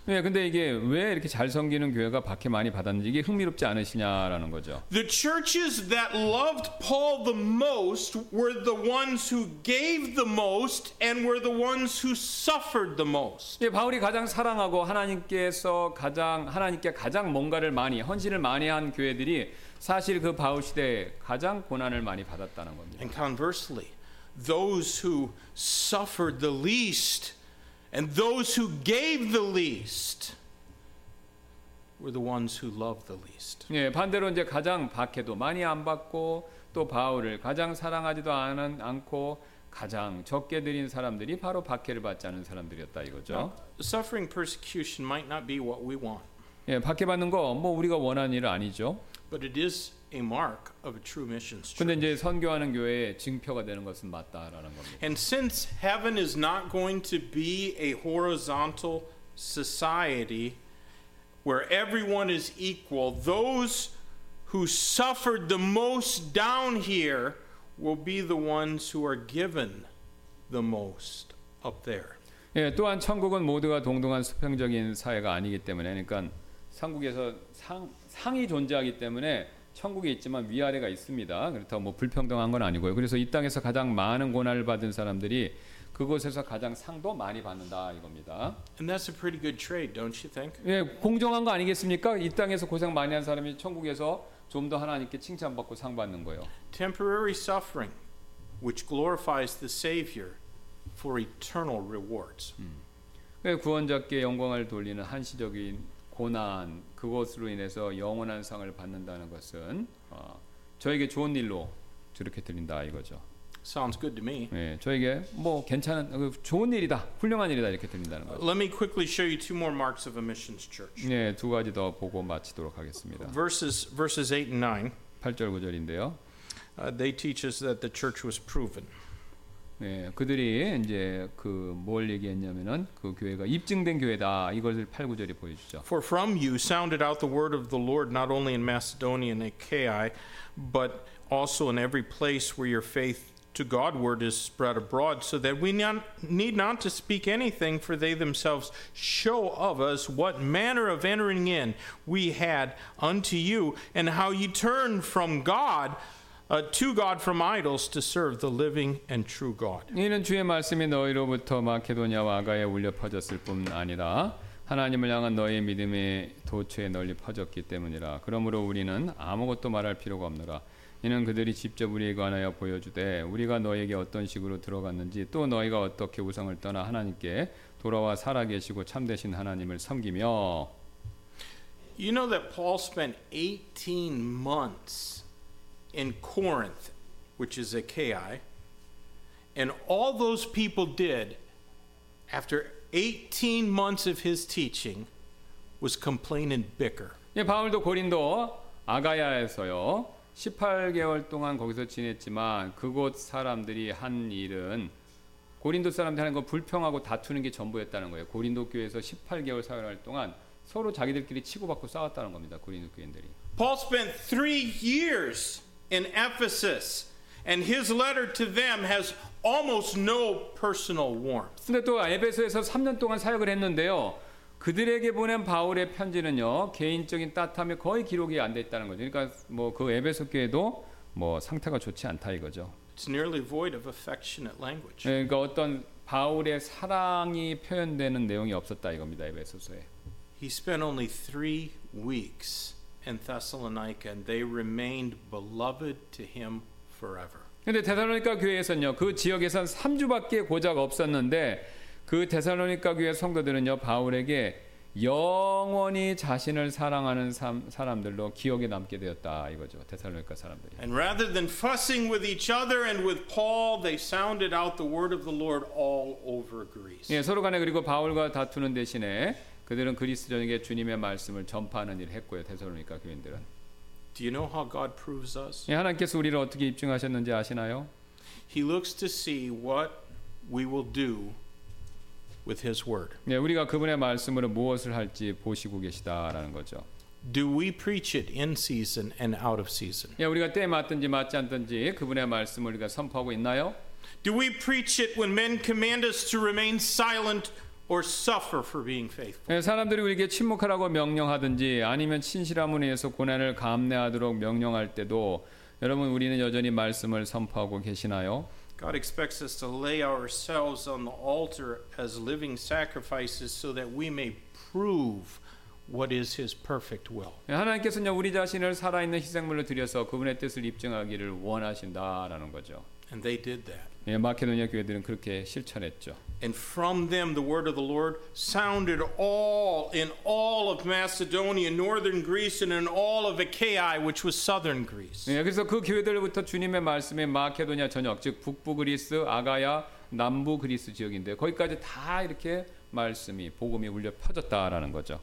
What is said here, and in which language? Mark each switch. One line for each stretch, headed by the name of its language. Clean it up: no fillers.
Korean: 네, 근데 이게 왜 이렇게 잘 섬기는 교회가 박해 많이 받았는지 이게 흥미롭지 않으시냐라는 거죠.
English: The churches that loved Paul the most were the ones who gave the most and were the ones who suffered the most.
Korean: 네, 바울이 가장 사랑하고 하나님께 가장 뭔가를 많이 헌신을 많이 한 교회들이 사실 그 바울 시대에 가장 고난을 많이 받았다는 겁니다.
English: And conversely, those who suffered the least and those who gave the least were the ones who loved the least.
Korean: 예, 반대로 이제 가장 박해도 많이 안 받고 또 바울을 가장 사랑하지도 않고 가장 적게 드린 사람들이 바로 박해를 받지 않은 사람들이었다 이거죠.
English: Suffering persecution might not be what we want.
Korean: 예, 박해 받는 거 뭐 우리가 원하는 일은 아니죠.
English: But it is a mark of a true mission's church.
Korean: 근데 이제 선교하는 교회의 증표가 되는 것은 맞다라는 겁니다.
English: And since heaven is not going to be a horizontal society where everyone is equal, those who suffered the most down here will be the ones who are given the most up there.
Korean: 예, 또한 천국은 모두가 동등한 수평적인 사회가 아니기 때문에 그러니까 상국에서 상이 존재하기 때문에 천국에 있지만 위아래가 있습니다. 그렇다고 뭐 불평등한 건 아니고요. 그래서 이 땅에서 가장 많은 고난을 받은 사람들이 그곳에서 가장 상도 많이 받는다 이겁니다.
English: And that's a pretty good trade, don't you think?
Korean: 예, 공정한 거 아니겠습니까? 이 땅에서 고생 많이 한 사람이 천국에서 좀 더 하나님께 칭찬받고 상 받는 거예요.
English: Temporary suffering which glorifies the Savior for eternal rewards.
Korean: 예, 구원자께 영광을 돌리는 한시적인 고난 그것으로 인해서 영원한 상을 받는다는 것은 저에게 좋은 일로 저렇게 들린다 이거죠.
English: Sounds good to me.
Korean: 예, 저에게 뭐 괜찮은 좋은 일이다, 훌륭한 일이다 이렇게 들린다는 거죠.
English: Let me quickly show you two more marks of a missions church.
Korean: 네, 예, 두 가지 더 보고 마치도록 하겠습니다.
English: Verses 8 and 9.
Korean: 8절 9절인데요.
English: They teach us that the church was proven.
Korean: 네, 그들이 이제 그 뭘 얘기했냐면은 그 교회가 입증된 교회다. 이것을 8, 9절이 보여주죠.
English: For from you sounded out the word of the Lord not only in Macedonia and Achaia but also in every place where your faith to God word is spread abroad so that we need not to speak anything for they themselves show of us what manner of entering in we had unto you and how you turned from God to God from idols to serve the living and true God.
Korean: 이는 주의 말씀이 너희로부터 마케도니아와 아가야에 울려 퍼졌을 뿐 아니라 하나님을 향한 너희의 믿음의 도처에 널리 퍼졌기 때문이라. 그러므로 우리는 아무것도 말할 필요가 없느라 이는 그들이 직접 우리에 관하여 보여주되 우리가 너희에게 어떤 식으로 들어갔는지 또 너희가 어떻게 우상을 떠나 하나님께 돌아와 살아계시고 참되신 하나님을 섬기며.
English: You know that Paul spent 18 months in Corinth, which is Achaia, and all those people did after 18 months of his teaching was complain and bicker.
Korean: 예, 바울도 고린도 아가야에서요. 18개월 동안 거기서 지냈지만 그곳 사람들이 한 일은 고린도 사람들이 하는 거 불평하고 다투는 게 전부였다는 거예요. 고린도 교회에서 18개월 사역할 동안 서로 자기들끼리 치고받고 싸웠다는 겁니다. 고린도 교인들이.
English: Paul spent 3 years in Ephesus and his letter to them has almost no personal warmth.
Korean: 근데 또 에베소에서 3년 동안 사역을 했는데요. 그들에게 보낸 바울의 편지는요 개인적인 따뜻함이 거의 기록이 안 돼 있다는 거죠. 그러니까 뭐 그 에베소 교회도 뭐 상태가 좋지 않다 이거죠.
English: It's nearly void of affectionate language.
Korean: 그러니까 어떤 바울의 사랑이 표현되는 내용이 없었다 이겁니다 에베소서에.
English: He spent only 3 weeks in Thessalonica, and they remained beloved to him forever.
Korean: 그런데 데살로니가 교회에서는요 그 지역에선 3주밖에 고작 없었는데. 그 데살로니가 교회 성도들은요 바울에게 영원히 자신을 사랑하는 사람들로 기억에 남게 되었다 이거죠 데살로니가 사람들이.
English: And rather than fussing with each other and with Paul, they sounded out the word of the Lord all over Greece.
Korean: 예, 서로 간에 그리고 바울과 다투는 대신에 그들은 그리스도인에게 주님의 말씀을 전파하는 일을 했고요 데살로니가 교인들은.
English: Do you know how God proves us?
Korean: 예, 하나님께서 우리를 어떻게 입증하셨는지 아시나요?
English: He looks to see what we will do. With His word.
Korean: 네, 우리가 그분의 말씀으로 무엇을 할지 보시고 계시다라는 거죠.
English: Do we preach it in season and out of season?
Korean: 네, 우리가 때 맞든지 맞지 않든지 그분의 말씀을 우리가 선포하고 있나요?
English: Do we preach it when men command us to remain silent or suffer for being faithful?
Korean: 네, 사람들이 우리에게 침묵하라고 명령하든지 아니면 신실함 위에서 고난을 감내하도록 명령할 때도 여러분 우리는 여전히 말씀을 선포하고 계시나요?
English: God expects us to lay ourselves on the altar as living sacrifices so that we may prove what is his perfect will.
Korean: 하나님께서는 우리 자신을 살아있는 희생물로 드려서 그분의 뜻을 입증하기를 원하신다라는 거죠.
English: And they did that.
Korean: 예, 마케도니아 교회들은 그렇게 실천했죠.
English: And from them the word of the Lord sounded all in all of Macedonia, northern Greece, and in all of Achaia, which was southern Greece.
Korean: 예, 그래서 그 교회들부터 주님의 말씀이 마케도니아 전역, 즉 북부 그리스, 아가야, 남부 그리스 지역인데 거기까지 다 이렇게 말씀이 복음이 울려 퍼졌다라는 거죠.